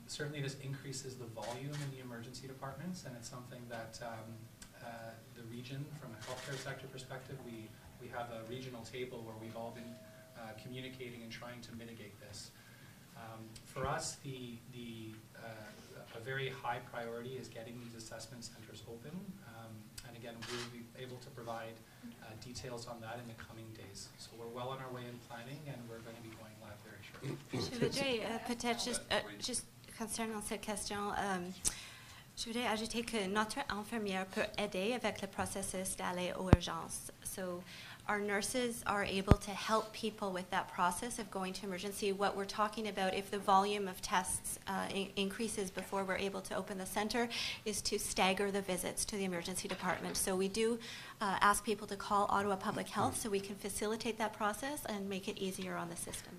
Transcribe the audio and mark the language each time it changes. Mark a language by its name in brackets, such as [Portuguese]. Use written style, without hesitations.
[English] Certainly this increases the volume in the emergency departments, and it's something that the region, from a healthcare sector perspective, we have a regional table where we've all been communicating and trying to mitigate this. For us, a very high priority is getting these assessment centers open. And again, we'll be able to provide details on that in the coming days. So we're well on our way in planning, and we're going to be going live very shortly. [French] Je voudrais peut-être just concernant cette question, je voudrais ajouter que notre infirmière peut aider avec le processus d'aller aux urgences. [English] So our nurses are able to help people with that process of going to emergency. What we're talking about, if the volume of tests increases before we're able to open the center, is to stagger the visits to the emergency department. So we do ask people to call Ottawa Public Health so we can facilitate that process and make it easier on the system.